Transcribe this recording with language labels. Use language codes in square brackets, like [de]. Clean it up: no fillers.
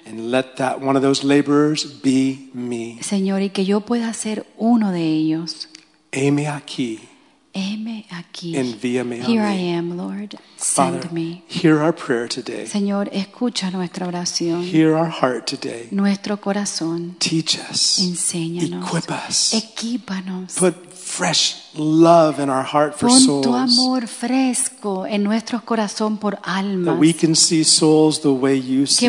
[en] And let that one of those laborers be me. [es] Señor, y que yo pueda ser uno de ellos. Heme aquí. Heme aquí. Envíame a [en] here me. I am, Lord. Send Father, me. Hear our prayer today. [es] Señor, escucha nuestra oración. [en] Hear our heart today. [es] Nuestro corazón. [en] Teach us. [es] Enséñanos. [en] Equip us. [es] Equípanos. [en] Put fresh love in our heart for souls. [es] Pon tu amor fresco en nuestro corazón por almas. [en] That we can see souls the way you see them.